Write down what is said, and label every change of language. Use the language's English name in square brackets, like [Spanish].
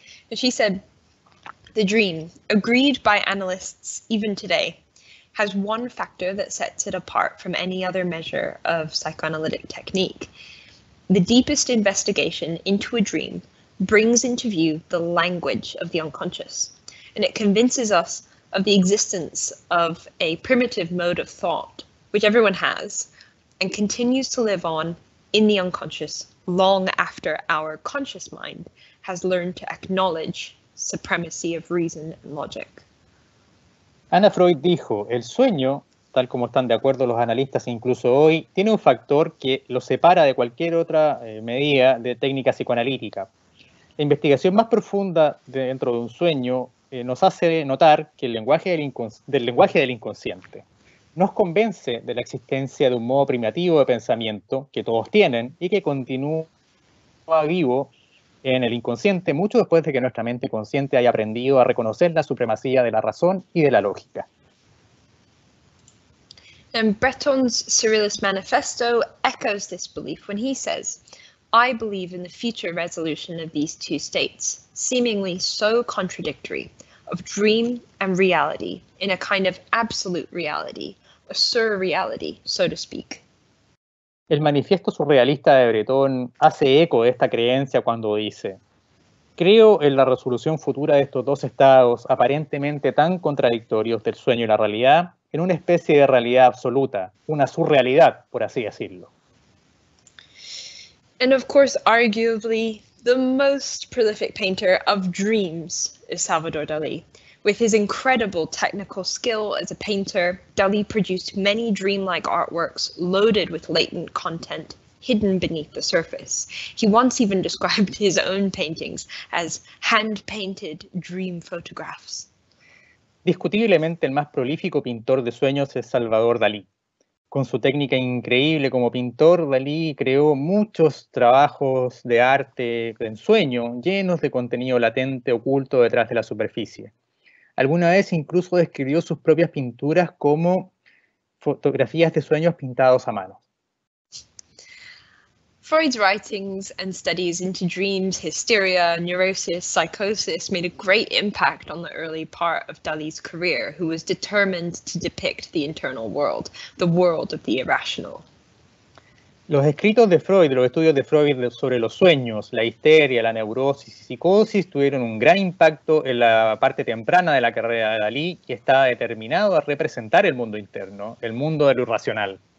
[English] And she said, "The dream, agreed by analysts even today, has one factor that sets it apart from any other measure of psychoanalytic technique. The deepest investigation into a dream brings into view the language of the unconscious, and it convinces us of the existence of a primitive mode of thought, which everyone has, and continues to live on in the unconscious long after our conscious mind has learned to acknowledge supremacy of reason and logic." [Spanish] Anna Freud dijo, el sueño, tal como están de acuerdo los analistas incluso hoy, tiene un factor que lo separa de cualquier otra medida de técnica psicoanalítica. La investigación más profunda dentro de un sueño nos hace notar que el lenguaje del lenguaje del inconsciente nos convence de la existencia de un modo primitivo de pensamiento que todos tienen y que continúa vivo en el inconsciente, mucho después de que nuestra mente consciente haya aprendido a reconocer la supremacía de la razón y de la lógica. [English] And Breton's Surrealist Manifesto echoes this belief when he says, "I believe in the future resolution of these two states, seemingly so contradictory, of dream and reality, in a kind of absolute reality, a surreality, so to speak." [Spanish] El manifiesto surrealista de Breton hace eco de esta creencia cuando dice: "Creo en la resolución futura de estos dos estados aparentemente tan contradictorios del sueño y la realidad, en una especie de realidad absoluta, una surrealidad, por así decirlo." [English] And of course, arguably the most prolific painter of dreams is Salvador Dalí. With his incredible technical skill as a painter, Dalí produced many dreamlike artworks loaded with latent content hidden beneath the surface. He once even described his own paintings as hand-painted dream photographs. [Spanish] Discutiblemente, el más prolífico pintor de sueños es Salvador Dalí. Con su técnica increíble como pintor, Dalí creó muchos trabajos de arte de ensueño, llenos de contenido latente oculto detrás de la superficie. Alguna vez incluso describió sus propias pinturas como fotografías de sueños pintados a mano. [English] Freud's writings and studies into dreams, hysteria, neurosis, psychosis made a great impact on the early part of Dalí's career, who was determined to depict the internal world, the world of the irrational. [Spanish] Los escritos de Freud, los estudios de Freud sobre los sueños, la histeria, la neurosis y psicosis tuvieron un gran impacto en la parte temprana de la carrera de Dalí, que estaba determinado a representar el mundo interno, el mundo de lo irracional.